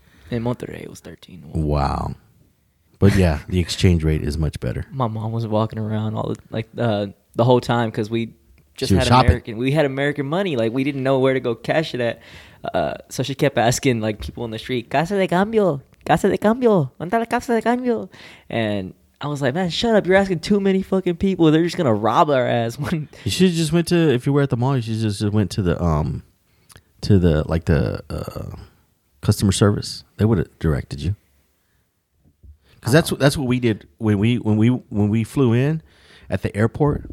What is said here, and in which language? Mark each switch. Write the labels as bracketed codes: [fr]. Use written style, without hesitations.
[en] In Monterrey, it was 13 to 1. Wow. But yeah, the exchange rate is much better. My mom was walking around all the whole time because we just had shopping. American. We had American money. Like, we didn't know where to go cash it at. So she kept asking like people in the street, Casa de Cambio. [es] Casa de cambio, ¿dónde la casa de cambio? [en] And I was like, man, shut up. You're asking too many fucking people. They're just going to rob our ass. You should have just went to, if you were at the mall, you should have just went to the customer service. They would have directed you. Because that's what we did when we flew in at the airport.